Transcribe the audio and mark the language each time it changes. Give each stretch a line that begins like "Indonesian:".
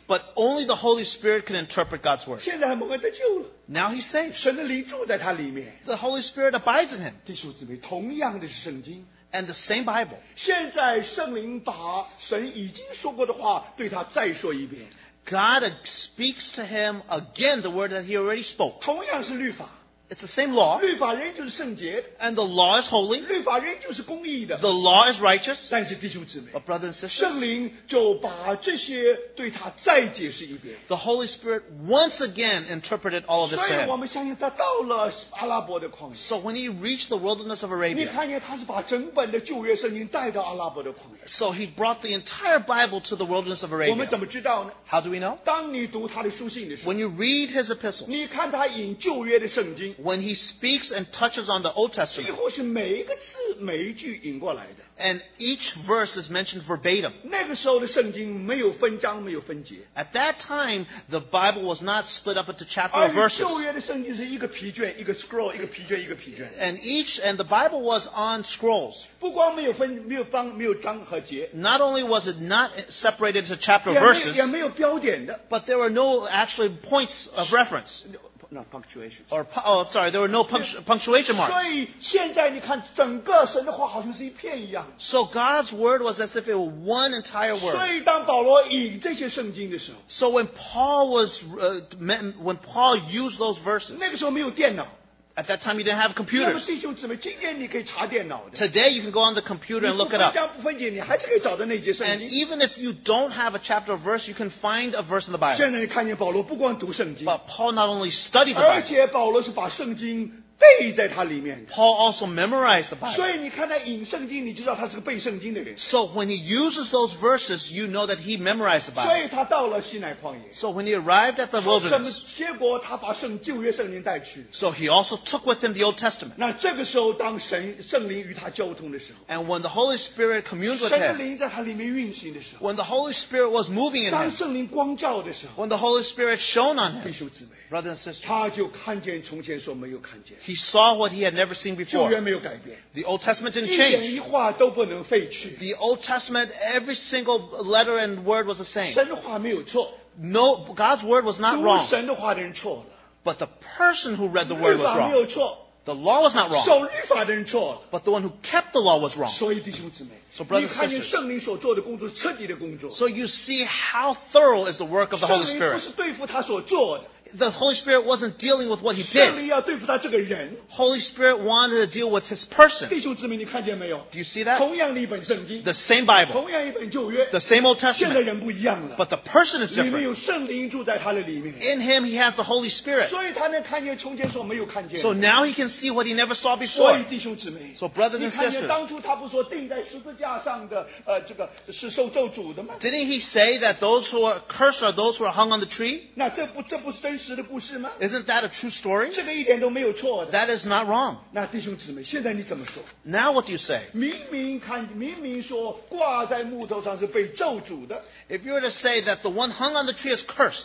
English: But only the Holy Spirit can interpret God's word.
Chinese: 现在蒙恩得救了。
English: Now he's saved.
Chinese: 神的灵住在他里面。
English: The Holy Spirit abides in him.
Chinese: 弟兄姊妹，同样的是圣经。
English: And the same Bible.
Chinese: 现在圣灵把神已经说过的话对他再说一遍。
English: God speaks to him again the word that he already spoke.
Chinese: 同样是律法。
English: It's the same law.
Chinese: 律法仍就是圣洁。
English: And the law is holy.
Chinese: 律法仍就是公义的。
English: The law is righteous.
Chinese: 但是弟兄姊妹。
English: But brothers and sisters.
Chinese: 圣灵就把这些对他再解释一遍。
English: The Holy Spirit once again interpreted all of this.
Chinese: 所以我们相信他到了阿拉伯的旷野。
English: So when he reached the wilderness of Arabia.
Chinese: 你看见他是把整本的旧约圣经带到阿拉伯的旷野。
English: So he brought the entire Bible to the wilderness of Arabia.
Chinese: 我们怎么知道呢
English: ？How do we know?
Chinese: 当你读他的书信的时候。
English: When you read his epistles.
Chinese: 你看他引旧约的圣经。
English: When he speaks and touches on the Old Testament,
Chinese: 几乎是每一个字每一句引过来的
English: and each verse is mentioned verbatim.
Chinese: 那个时候的圣经没有分章，没有分节
English: At that time, the Bible was not split up into chapter or verses.
Chinese: 而旧约的圣经是一个皮卷，一个 scroll， 一个皮卷，一个皮卷
English: And each and the Bible was on scrolls.
Chinese: 不光没有分，没有方，没有章和节
English: Not only was it not separated into chapter or verses,
Chinese: 也没有标点的
English: but there were no actually points of reference. Not punctuation. Or, oh, sorry, there were no punctuation marks.
Chinese: 所以现在你看，整个神的话好像是一片一样。
English: So God's word was as if it were one entire word.
Chinese: 所以当保罗引这些圣经的时候
English: ，So when Paul was, when Paul used those verses,
Chinese: 那个时候没有电脑。
English: At that time, you didn't have computers.
Chinese: 那么弟兄姊妹，今天你可以查电脑的。
English: Today, you can go on the computer and look it up.
Chinese: 你不分章不分节，你还是可以找到那节圣经。
English: And even if you don't have a chapter or verse, you can find a verse in the Bible.
Chinese: 现在你看见保罗不光读圣经。
English: But Paul not only studied the Bible.
Chinese: 而且保罗是把圣经背在他里面。
English: Paul also memorized the Bible.
Chinese: 所以你看他引圣经，你就知道他是个背圣经的人。
English: So when he uses those verses, you know that he memorized the Bible.
Chinese: 所以他到了西乃旷野。
English: So when he arrived at the wilderness.
Chinese: 结果他把旧约圣经带去。
English: So he also took with him the Old Testament.
Chinese: 那这个时候，当圣灵与他交通的时候。
English: And when the Holy Spirit communed with him.
Chinese: 圣灵在他里面运行的时候。
English: When the Holy Spirit was moving in him.
Chinese: 当圣灵光照的时候。
English: When the Holy Spirit shone on him.
Chinese: 弟兄姊妹。
English: Brothers and sisters,
Chinese: 他就看见从前所没有看见。
English: He saw what he had never seen before.
Chinese: 旧约没有改变。
English: The Old Testament didn't change.
Chinese: 一言一话都不能废去。
English: The Old Testament, every single letter and word was the same.
Chinese: 神的话没有错。
English: No, God's word was not wrong.
Chinese: 读神的话的人错了。
English: But the person who read the word was wrong.
Chinese: 律法没有错。
English: The law was not wrong.
Chinese: 守律法的人错了。
English: But the one who kept the law was wrong.
Chinese: 所以弟兄姊妹。
English: So brothers and sisters,
Chinese: 你看见圣灵所做的工作，彻底的工作。
English: So you see how thorough is the work of the Holy Spirit.
Chinese: 圣灵不是对付他所做的。
English: The Holy Spirit wasn't dealing with what he did.
Chinese: 圣灵要对付他这个人。
English: Holy Spirit wanted to deal with his person.
Chinese: 弟兄姊妹，你看见没有
English: ？Do you see that?
Chinese: 同样的一本圣经。
English: The same Bible.
Chinese: 同样一本旧约。
English: The same Old Testament.
Chinese: 现在人不一样了。
English: But the person is different.
Chinese: 里面有圣灵住在他的里面。
English: In him, he has the Holy Spirit.
Chinese: 所以他能看见从前所没有看见。
English: So now he can see what he never saw before.
Chinese: 所以弟兄姊妹。
English: So brothers and sisters.
Chinese: 你看见当初他不说钉在十字架上的这个是受咒诅的吗
English: ？Didn't he say that those who are cursed are those who are hung on the tree?
Chinese: 那这不是真。
English: Isn't that a true story? That is not wrong.
Chinese: 那弟兄姊妹，现在你怎么说？
English: Now what do you say?
Chinese: 明明说挂在木头上是被咒诅的。
English: If you were to say that the one hung on the tree is cursed,